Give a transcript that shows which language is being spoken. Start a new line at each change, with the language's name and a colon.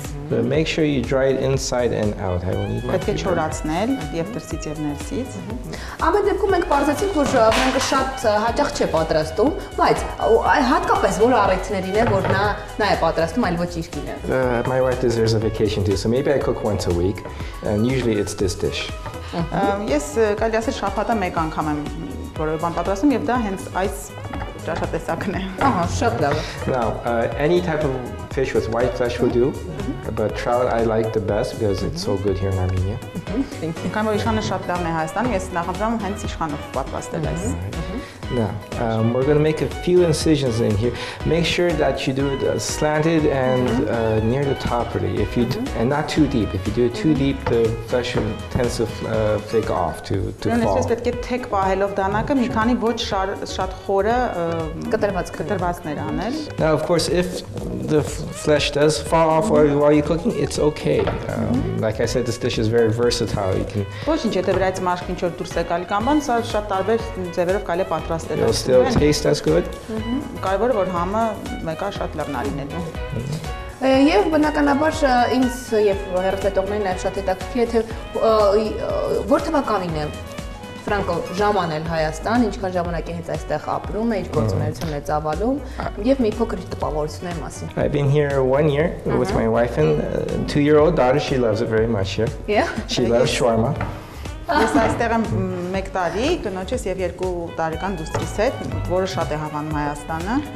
English: But make sure you dry it inside and out. I will need my finger.
Armenian: Ամեն դեպքում մենք պարզեցինք, որ մենք շատ հաճախ չէ պատրաստում, բայց հատկապես որ առիթներին է, որ նա է պատրաստում, այլ ոչ իր կինը։
English: My wife deserves a vacation too, so maybe I cook once a week, and usually it's this dish.
Armenian: Ես կարելի ասել շաբաթը մեկ անգամ եմ որևէ բան պատրաստում, և դա հենց այս ճաշատեսակն է։ Ահա, շատ լավ։
English: Now, any type of fish with white flesh will do, but trout I like the best because it's so good here in Armenia.
Armenian: Քանի որ իշխանը շատ լավն է Հայաստանում, ես նախընտրում եմ հենց իշխանով պատրաստել այս։
English: We're going to make a few incisions in here. Make sure that you do it slanted and near the top, really. If you and not too deep. If you do it too deep, the flesh tends to flake off to fall.
Armenian: Ես պետք է թեք պահելով դանակը մի քանի ոչ շատ խորը կտրվածքներ անել.
English: Now, of course, if the flesh does fall off while you're cooking, it's okay. Like I said, this dish is very versatile. You can
Armenian: Ոչինչ, եթե վրայից մաշկի ինչ-որ դուրս է գալի կամ սա շատ տարբեր ձևերով կարելի է պատրաստել.
English: It'll still taste as good.
Armenian: Կարևորը որ համը մեկ էլ շատ լավն է լինելու։ Եվ բնականաբար ինձ եւ հերթետողներին այն շատ հետաքրքիր է, թե որ թվականին է Ֆրանկո ժամանել Հայաստան, ինչքան ժամանակ է հենց այստեղ ապրում, իր գործունեությունն է ծավալում եւ մի փոքր տպավորությունների մասին։
English: I've been here 1 year with my wife and 2-year-old daughter. She loves it very much here. Yeah. She loves shawarma.
Armenian: Ես այստեղ եմ 1 տարի, կնոջս եւ 2 տարեկան դուստրիս հետ, որը շատ է հավանում Հայաստանը։